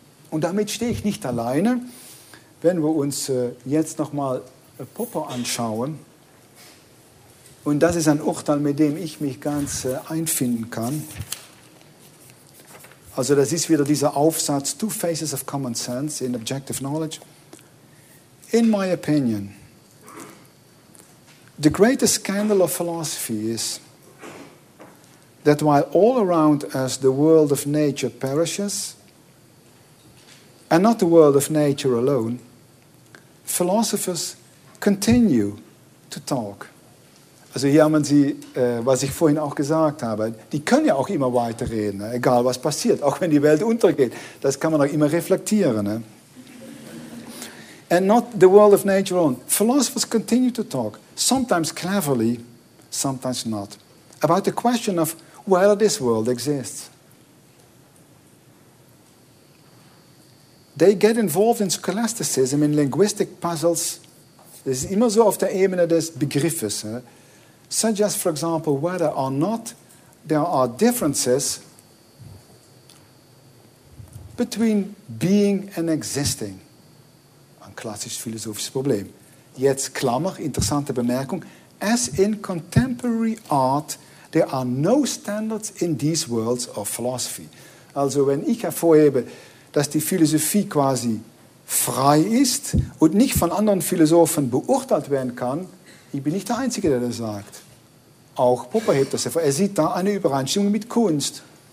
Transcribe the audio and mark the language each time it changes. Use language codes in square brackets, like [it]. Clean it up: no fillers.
[de] Und damit stehe ich nicht alleine. Wenn wir uns jetzt nochmal Popper anschauen, und das ist ein Urteil, mit dem ich mich ganz einfinden kann. Also das ist wieder dieser Aufsatz, Two Faces of Common Sense in Objective Knowledge. [en] In my opinion, the greatest scandal of philosophy is that while all around us the world of nature perishes, and not the world of nature alone, philosophers continue to talk. [de] Also hier haben Sie, was ich vorhin auch gesagt habe, die können ja auch immer weiterreden, egal was passiert, auch wenn die Welt untergeht, das kann man auch immer reflektieren, ne? [en] And not the world of nature alone. Philosophers continue to talk, sometimes cleverly, sometimes not, about the question of whether this world exists. They get involved in scholasticism, in linguistic puzzles. [de] Das ist immer so auf der Ebene des Begriffes. [en] Such as, for example, whether or not there are differences between being and existing. [de] Klassisch philosophisches Problem. Jetzt Klammer, interessante Bemerkung. [en] As in contemporary art, there are no standards in these worlds of philosophy. [de] Also wenn ich hervorhebe, dass die Philosophie quasi frei ist und nicht von anderen Philosophen beurteilt werden kann, ich bin nicht der Einzige, der das sagt. Auch Popper hebt das hervor. Er sieht da eine Übereinstimmung mit Kunst.